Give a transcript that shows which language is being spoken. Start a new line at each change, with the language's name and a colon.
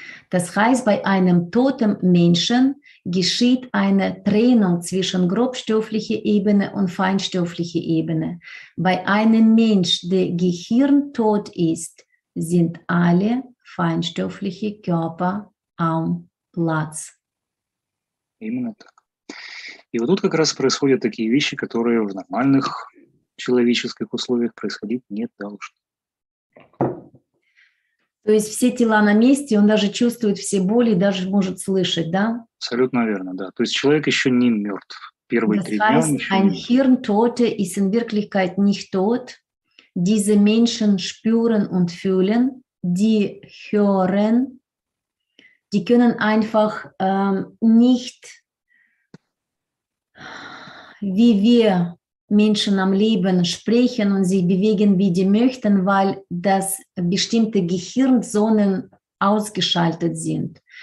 German: Das heißt, bei einem toten Menschen geschieht eine Trennung zwischen grobstofflicher Ebene und feinstofflicher Ebene. Bei einem Mensch, der gehirntot ist, sind alle feinstofflichen Körper am Platz.
Russian: Именно так. И вот тут как раз происходят такие вещи, которые в нормальных человеческих условиях происходить не должно. То есть все тела на месте, он даже чувствует все боли, даже может слышать, да? Абсолютно верно, да. То есть человек еще не мертв. Первые
German: das
Russian: три
German: heißt,
Russian: дня он еще
German: ein Hirn tote ist in Wirklichkeit nicht tot. Diese Menschen spüren und fühlen, die hören, die können einfach nicht, wie wir Menschen am Leben sprechen und sich bewegen, wie die möchten, weil das bestimmte Gehirnzonen ausgeschaltet sind.